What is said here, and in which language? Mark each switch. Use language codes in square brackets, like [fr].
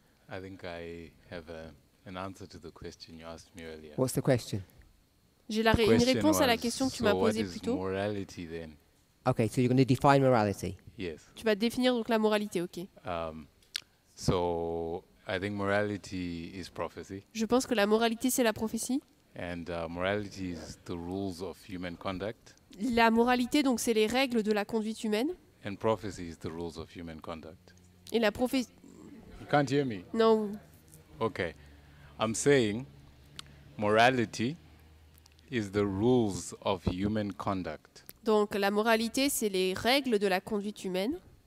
[en] I think I have an answer to the question you asked me earlier. What's the question? [fr] J'ai une réponse à la question que tu m'as posée plus tôt. [en] Morality, then? Okay, so you're going to define morality. Yes. [fr] Tu vas définir donc la moralité, ok. [en] So I think morality is prophecy. [fr] Je pense que la moralité c'est la prophétie. [en] And morality is the rules of human conduct. [fr] La moralité donc c'est les règles de la conduite humaine. [en] And prophecy is the rules of human conduct. [fr] Et la prophétie. [en] You can't hear me. No. Okay. I'm saying morality is the rules of human conduct. [fr] Donc la moralité c'est les règles de la conduite humaine.